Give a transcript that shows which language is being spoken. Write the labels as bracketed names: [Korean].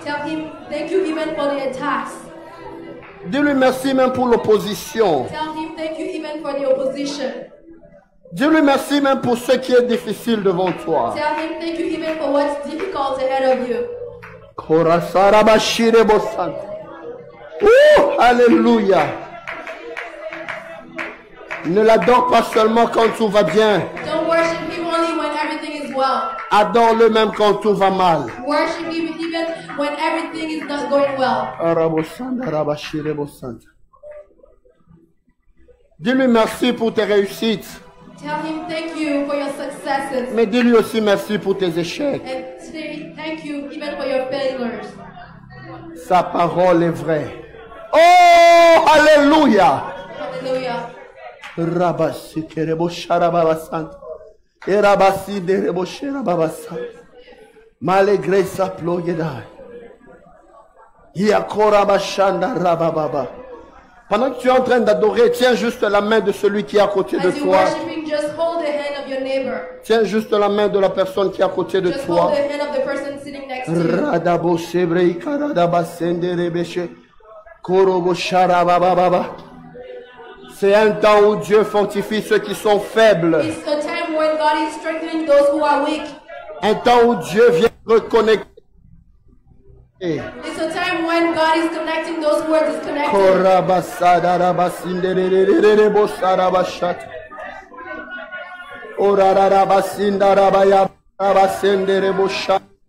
[English] Tell him thank you even for the attacks. [French] Dis-lui merci même pour l'opposition. [English] Tell him thank you even for the opposition. [French] Dis-lui merci même pour ce qui est difficile devant toi. [English] Tell him thank you even for what's difficult ahead of you. Korasarabashirebosan. Ooh, hallelujah. [French] Ne l'adore pas seulement quand tout va bien. [English] Don't worship him only when everything is well. [French] Adore-le même quand tout va mal. [English] Worship him even when everything is not going well. Arabosanda, Arabashirebosanda. [French] Dis-lui merci pour tes réussites. [English] Tell him thank you for your successes. [French] Mais dis-lui aussi merci pour tes échecs. [English] And say thank you even for your failures. [French] Sa parole est vraie. Oh, alléluia. Alléluia. Rabasi kerebo sharababa santa. Erabasi derebo sharababa santa. Malgré sa ploguida. Yakora bashanda rabababa. Pendant que tu es en train d'adorer, tiens juste la main de celui qui est à côté de toi. [English] As you're worshiping, just hold the hand of your neighbor. [French] Tiens juste la main de la personne qui est à côté de toi. [English] Just hold the hand of the person sitting next to you. Radabo shebrei karadaba senderebeshe. Korobo sharabababa. [French] C'est un temps où Dieu fortifie ceux qui sont faibles. [English] It's a time when God is strengthening those who are weak. [French] Un temps où Dieu vient reconnecter. [English] It's a time when God is connecting those who are disconnected. Korabasada rabasinderere bosarabashat. Orararabasinda rabaya rabasendere boshat.